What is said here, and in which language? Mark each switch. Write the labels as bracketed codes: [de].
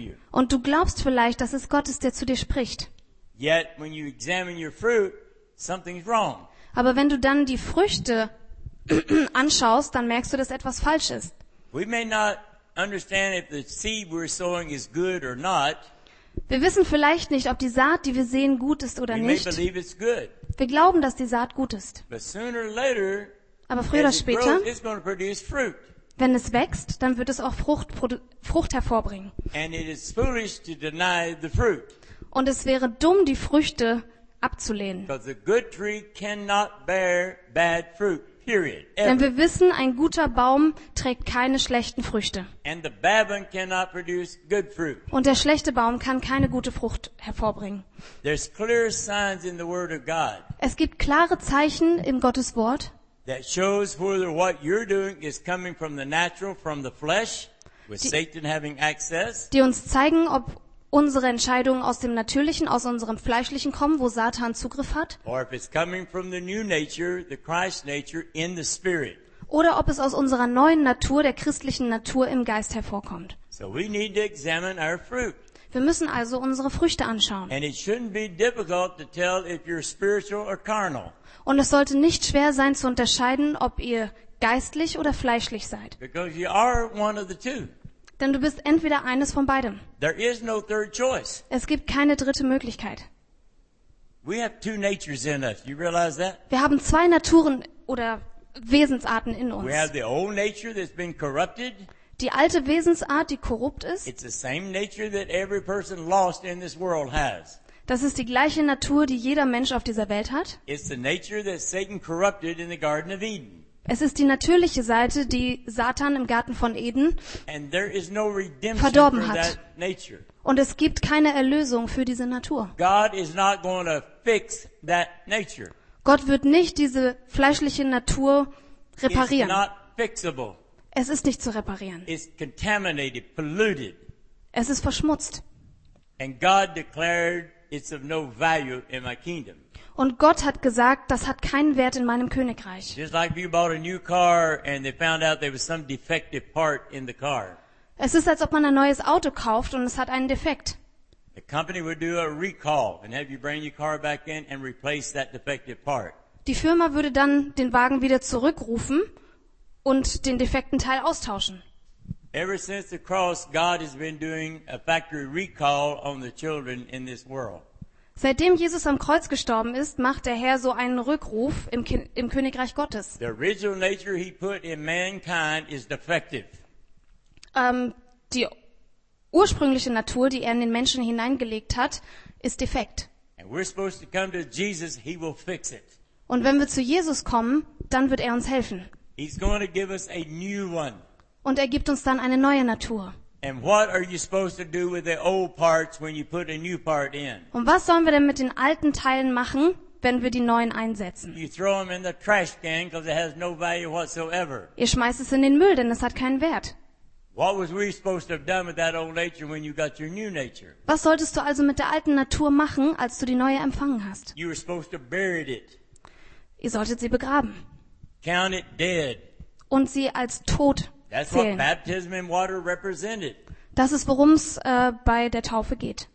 [de] Und du glaubst vielleicht, dass es Gott ist, der zu dir spricht. [en] Yet when you examine your fruit, something's wrong. [de] Aber wenn du dann die Früchte anschaust, dann merkst du, dass etwas falsch ist. [en] We may not understand if the seed we're sowing is good or not. [de] Wir wissen vielleicht nicht, ob die Saat, die wir sehen, gut ist oder nicht. [en] We may believe it's good. [de] Wir glauben, dass die Saat gut ist. [en] But sooner or later, [de] aber früher oder später, [en] it's going to produce fruit. [de] Wenn es wächst, dann wird es auch Frucht hervorbringen. [en] And it is foolish to deny the fruit. [de] Und es wäre dumm, die Früchte abzulehnen. [en] Because a good tree cannot bear bad fruit, period, ever. [de] Denn wir wissen, ein guter Baum trägt keine schlechten Früchte. [en] And the bad one cannot produce good fruit. [de] Und der schlechte Baum kann keine gute Frucht hervorbringen. [en] There's clear signs in the Word of God. [de] Es gibt klare Zeichen in Gottes Wort. [en] That shows whether what you're doing is coming from the natural, from the flesh, with Satan having access. [de] Die uns zeigen, ob unsere Entscheidungen aus dem Natürlichen, aus unserem Fleischlichen kommen, wo Satan Zugriff hat. [en] Or if it's coming from the new nature, the Christ nature in the spirit. [de] Oder ob es aus unserer neuen Natur, der christlichen Natur im Geist hervorkommt. [en] So we need to examine our fruit. [de] Wir müssen also unsere Früchte anschauen. [en] And it shouldn't be difficult to tell if you're spiritual or carnal. [de] Und es sollte nicht schwer sein zu unterscheiden, ob ihr geistlich oder fleischlich seid. [en] Because you are one of the two. [de] Denn du bist entweder eines von beidem. [en] There is no third choice. [de] Es gibt keine dritte Möglichkeit. [en] We have two natures in us. You realize that? [de] Wir haben zwei Naturen oder Wesensarten in uns. [en] We have the old nature that's been corrupted. [de] Die alte Wesensart, die korrupt ist. [en] It's the same nature that every person lost in this world has. [de] Das ist die gleiche Natur, die jeder Mensch auf dieser Welt hat. [en] It's the nature that Satan corrupted in the Garden of Eden. [de] Es ist die natürliche Seite, die Satan im Garten von Eden [en] and there is no redemption [de] verdorben hat. [en] For that nature. [de] Und es gibt keine Erlösung für diese Natur. [en] God is not going to fix that nature. [de] Gott wird nicht diese fleischliche Natur reparieren. [en] It's not fixable. [de] Es ist nicht zu reparieren. [en] It's contaminated, polluted. [de] Es ist verschmutzt. [en] Und Gott declared, it's of no value in my kingdom. [de] Und Gott hat gesagt, das hat keinen Wert in meinem Königreich. [en] Just like you bought a new car and they found out there was some defective part in the car. [de] Es ist, als ob man ein neues Auto kauft und es hat einen Defekt. [en] The company would do a recall and have you bring your car back in and replace that defective part. [de] Die Firma würde dann den Wagen wieder zurückrufen und den defekten Teil austauschen. [en] Ever since the cross, God has been doing a factory recall on the children in this world. [de] Seitdem Jesus am Kreuz gestorben ist, macht der Herr so einen Rückruf im Königreich Gottes. [en] The original nature he put in mankind is defective. [de] Die ursprüngliche Natur, die er in den Menschen hineingelegt hat, ist defekt. [en] And we're supposed to come to Jesus, he will fix it. [de] Und wenn wir zu Jesus kommen, dann wird er uns helfen. [en] He's going to give us a new one. [de] Und er gibt uns dann eine neue Natur. [en] And what are you supposed to do with the old parts when you put a new part in? [de] Und was sollen wir denn mit den alten Teilen machen, wenn wir die neuen einsetzen? [en] You throw them in the trash can because it has no value whatsoever. [de] Ihr schmeißt es in den Müll, denn es hat keinen Wert. [en] What was we supposed to have done with that old nature when you got your new nature? [de] Was solltest du also mit der alten Natur machen, als du die neue empfangen hast? [en] You were supposed to bury it. [de] Ihr solltet sie begraben. [en] Count it dead. [de] Und sie als tot. [en] That's what baptism in water represented. [de] Das ist, worum es bei der Taufe geht.